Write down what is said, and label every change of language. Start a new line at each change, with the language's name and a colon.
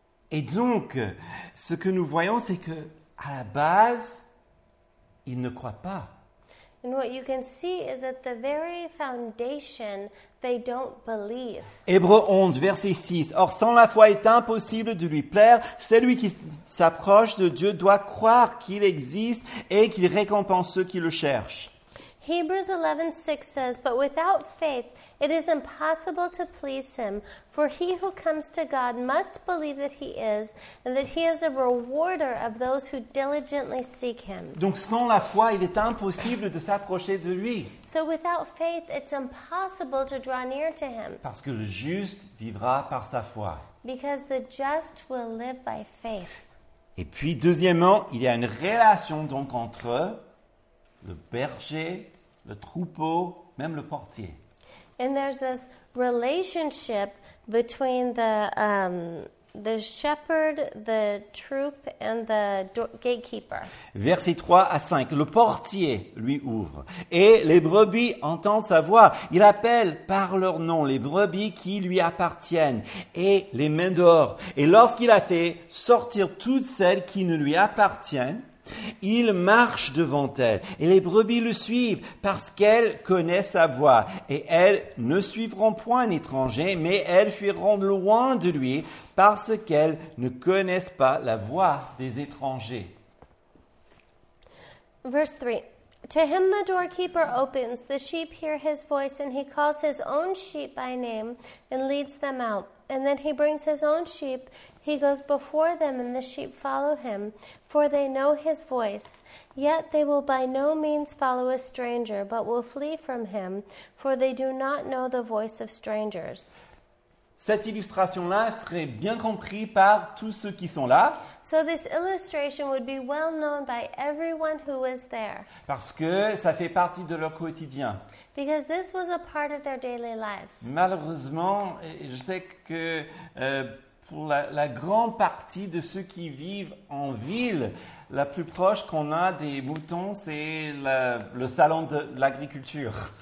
French: Et donc, ce que nous voyons, c'est que à la base, ils ne croient pas.
English: And what you can see is at the very foundation, they don't believe.
French: Hébreux 11, verset 6. Or, sans la foi, il est impossible de lui plaire. Celui qui s'approche de Dieu doit croire qu'il existe et qu'il récompense ceux qui le cherchent.
English: Hebrews 11, 6 says, but without faith, it is impossible to please him. For he who comes to God must believe that he is, and that he is a rewarder of those who diligently seek him.
French: Donc sans la foi, il est impossible de s'approcher de lui.
English: So without faith, it's impossible to draw near to him.
French: Parce que le juste vivra par sa foi.
English: Because the just will live by faith.
French: Et puis deuxièmement, il y a une relation donc entre eux. Le berger, le troupeau, même le portier.
English: And there's this relationship between the shepherd, the troop, and the gatekeeper.
French: Versets 3 à 5. Le portier lui ouvre et les brebis entendent sa voix. Il appelle par leur nom les brebis qui lui appartiennent et les met dehors. Et lorsqu'il a fait sortir toutes celles qui ne lui appartiennent, il marche devant elles et les brebis le suivent parce qu'elles connaissent sa voix et elles ne suivront point un étranger mais elles fuiront loin de lui parce qu'elles ne connaissent pas la voix des étrangers.
English: Verse 3. To him the doorkeeper opens, the sheep hear his voice and he calls his own sheep by name and leads them out. And then he brings his own sheep. He goes before them and the sheep follow him, for they know his voice. Yet they will by no means follow a stranger, but will flee from him, for they do not know the voice of strangers.
French: Cette illustration-là serait bien comprise par tous ceux qui sont là.
English: So this illustration would be well known by everyone who was there.
French: Parce que ça fait partie de leur quotidien.
English: Because this was a part of their daily lives.
French: Malheureusement, je sais que pour la grande partie de ceux qui vivent en ville, la plus proche qu'on a des moutons, c'est le salon de l'agriculture.